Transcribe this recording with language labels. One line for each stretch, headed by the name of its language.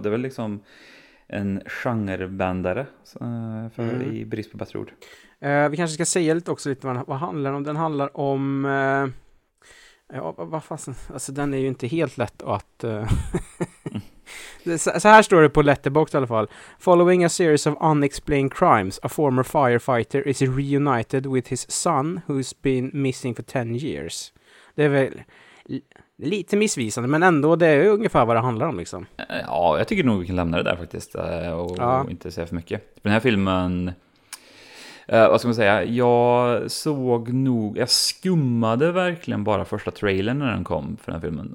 Swedish: Det är väl liksom en genrebändare för i brist på bättre ord. Vi kanske ska säga lite också lite vad handlar om. Den handlar om ja, vad fan, alltså den är ju inte helt lätt att så här står det på Letterboxd i alla fall.
English: Following a series of unexplained crimes, a former firefighter is reunited with his son who's been missing for 10 years.
Swedish: Det är väl lite missvisande, men ändå, det är ungefär vad det handlar om liksom. Ja, jag tycker nog vi kan lämna det där faktiskt och ja, inte säga för mycket. Den här filmen, vad ska man säga, jag skummade verkligen bara första trailern när den kom för den filmen.